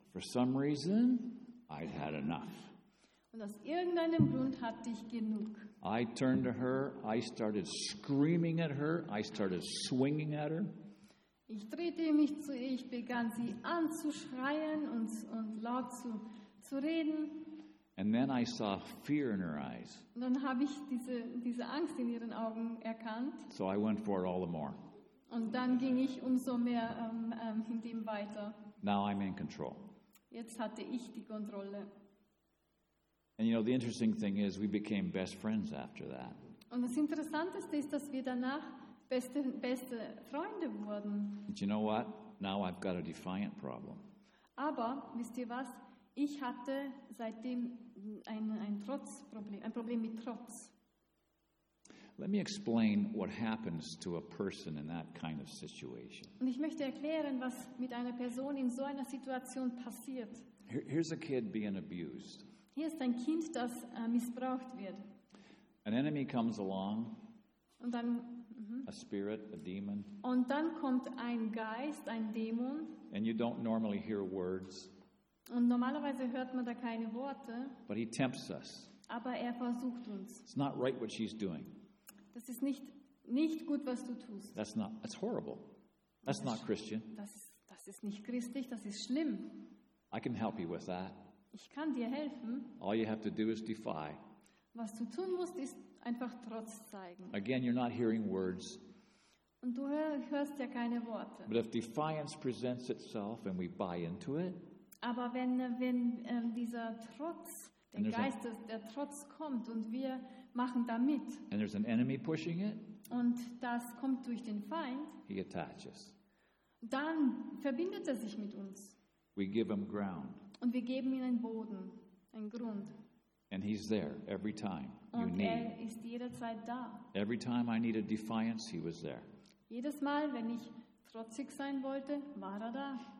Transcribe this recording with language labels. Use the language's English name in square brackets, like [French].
[English] For some reason, I'd had enough. [German] Und aus irgendeinem Grund hatte ich genug. [English] I turned to her. I started screaming at her. I started swinging at her. [German] Ich drehte mich zu ihr. Ich begann sie anzuschreien und laut zu reden. [English] And then I saw fear in her eyes. [German] Und dann habe ich diese Angst in ihren Augen erkannt. [English] So I went for it all the more. [German] Und dann ging ich umso mehr in dem weiter. [English] Now I'm in control. [German] Jetzt hatte ich die Kontrolle. [English] And you know, the interesting thing is we became best friends after that. [German] Und das Interessanteste ist, dass wir danach beste Freunde wurden. [English] But you know what? Now I've got a defiant problem. [German] Aber wisst ihr was? Ich hatte seitdem ein Trotzproblem, ein Problem mit Trotz. [English] Let me explain what happens to a person in that kind of situation. [German] Und ich möchte erklären, was mit einer Person in so einer Situation passiert. [English] Here's a kid being abused. [German] Hier ist ein Kind, das missbraucht wird. [English] An enemy comes along. [German] Und dann [English] a spirit, a demon. [German] Und dann kommt ein Geist, ein Dämon. [English] And you don't normally hear words. [German] Und normalerweise hört man da keine Worte. [English] But he tempts us. [German] Aber er versucht uns. [English] It's not right what she's doing. [German] Das ist nicht gut, was du tust. [English] That's horrible. That's not Christian. [German] Das ist nicht christlich, das ist schlimm. [English] I can help you with that. [German] Ich kann dir helfen. [English] All you have to do is defy. [German] Was du tun musst, ist einfach Trotz zeigen. [English] Again, you're not hearing words. [German] Und du hörst ja keine Worte. [English] But if defiance presents itself and we buy into it, [German] aber wenn dieser Trotz, der Geist, der Trotz kommt und wir machen da mit, [English] and there's an enemy pushing it, [German] und das kommt durch den Feind, [English] he attaches. [German] Dann verbindet er sich mit uns. [English] We give him ground. [German] Und wir geben ihm einen Boden, einen Grund. [English] And he's there every time you [German] und [English] need. [German] Er ist jederzeit da. [English] Every time I needed defiance, he was there. [German] Jedes Mal, wenn ich trotzig sein wollte, war er da.